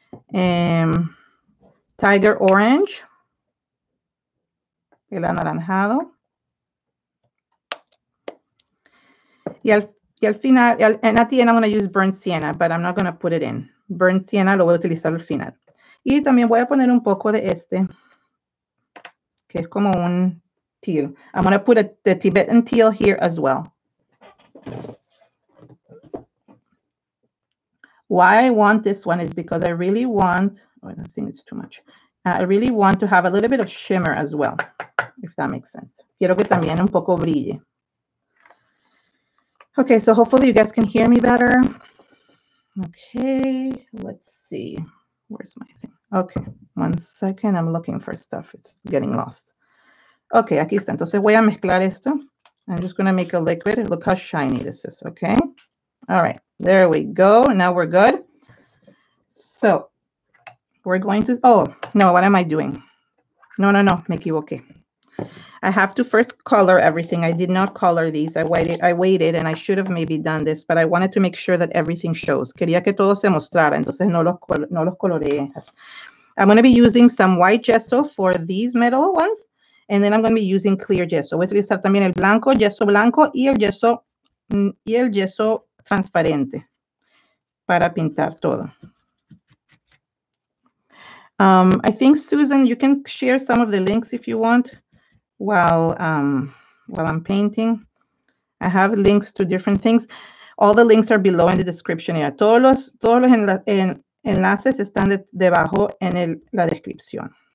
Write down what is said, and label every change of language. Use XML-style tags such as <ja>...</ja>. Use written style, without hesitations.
<en>Tiger orange.</en> <es>El anaranjado. Y al Y al final,</es> <en>and at the end, I'm going to use burnt sienna, but I'm not going to put it in.</en> <es>Burnt sienna lo voy a utilizar al final. Y también voy a poner un poco de este, que es como un teal.</es> <en>I'm going to put the Tibetan teal here as well. Why I want this one is because I really want, oh, I think it's too much. I really want to have a little bit of shimmer as well, if that makes sense.</en> <es>Quiero que también un poco brille.</es> <en>Okay, so hopefully you guys can hear me better. Okay, let's see. Where's my thing? Okay, one second. I'm looking for stuff. It's getting lost. Okay,</en> <es>aquí está. Entonces voy a mezclar esto.</es> <en>I'm just going to make a liquid. Look how shiny this is, okay? All right, there we go. Now we're good. So we're going to... Oh, no, what am I doing?</en> <es>No, me equivoqué.</es> <en>I have to first color everything. I did not color these. I waited, and I should have maybe done this, but I wanted to make sure that everything shows.</en> <es>Quería que todo se mostrara, entonces no los coloreé.</es> <en>I'm going to be using some white gesso for these metal ones, and then I'm going to be using clear gesso.</en> <es>Voy a utilizar también el blanco, gesso blanco, y el gesso transparente para pintar todo.</es> <en>I think, Susan, you can share some of the links if you want. While I'm painting, I have links to different things. All the links are below in the description.</en> <es>Yeah, todos los enlaces están debajo en la descripción.</es>